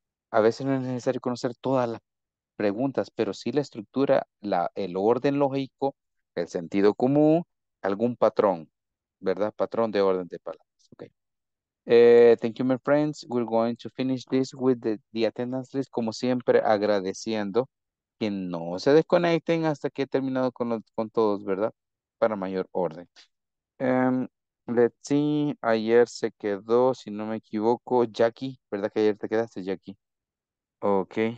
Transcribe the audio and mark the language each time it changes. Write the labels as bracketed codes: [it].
[es] A veces no es necesario conocer todas las preguntas, pero sí la estructura, el orden lógico, el sentido común, algún patrón. ¿Verdad? Patrón de orden de palabras. [en] Okay. Thank you, my friends. We're going to finish this with the attendance list. [es] Como siempre, agradeciendo que no se desconecten hasta que he terminado con todos, ¿verdad? Para mayor orden. [en] Let's see. [es] Ayer se quedó, si no me equivoco, Jackie. ¿Verdad que ayer te quedaste, Jackie? Ok.